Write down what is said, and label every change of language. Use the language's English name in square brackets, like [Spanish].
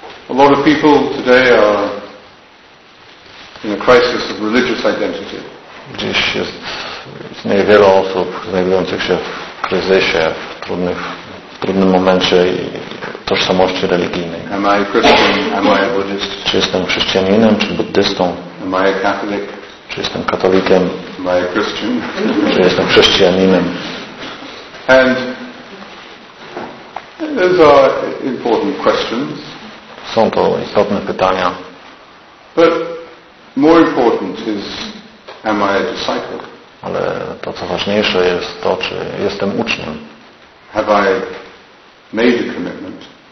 [English] A lot of people today are in a crisis of religious identity. [Polish] Gdzieś jest niewiele osób znajdujących się w kryzysie, w trudnym momencie tożsamości religijnej. [English] Am I a Christian? Am I a Buddhist? [Polish] Czy jestem chrześcijaninem, czy buddystą? [English] Am I a Catholic? [Polish] Czy jestem katolikiem? [English] Am I a Christian? [Polish] Czy jestem chrześcijaninem? [English] And those are important questions. [Polish] Są to istotne pytania. [English] But more important is, am I a disciple? [Polish] Ale to, co ważniejsze, jest to, czy jestem uczniem. [English] Have I made a commitment?